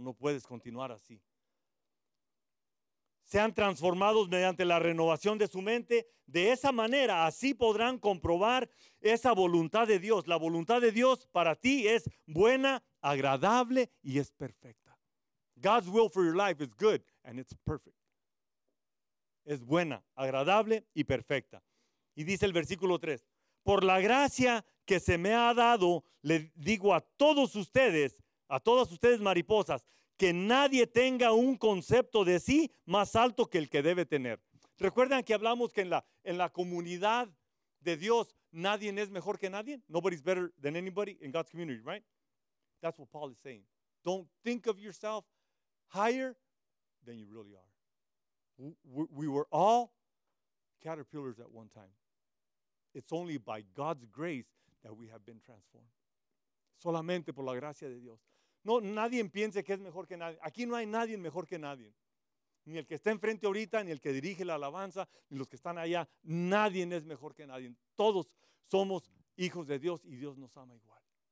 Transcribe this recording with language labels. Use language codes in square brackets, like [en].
[es] No puedes continuar así. Sean transformados mediante la renovación de su mente. De esa manera, así podrán comprobar esa voluntad de Dios. La voluntad de Dios para ti es buena, agradable y es perfecta. [en] God's will for your life is good and it's perfect. [es] Es buena, agradable y perfecta. Y dice el versículo 3. Por la gracia que se me ha dado, le digo a todas ustedes mariposas, que nadie tenga un concepto de sí más alto que el que debe tener. ¿Recuerdan que hablamos que en la comunidad de Dios nadie es mejor que nadie? [en] Nobody's better than anybody in God's community, right? That's what Paul is saying. Don't think of yourself higher than you really are. We were all caterpillars at one time. It's only by God's grace that we have been transformed. [es] Solamente por la gracia de Dios. No, nadie piense que es mejor que nadie. Aquí no hay nadie mejor que nadie. Ni el que está enfrente ahorita, ni el que dirige la alabanza, ni los que están allá. Nadie es mejor que nadie. Todos somos hijos de Dios y Dios nos ama igual.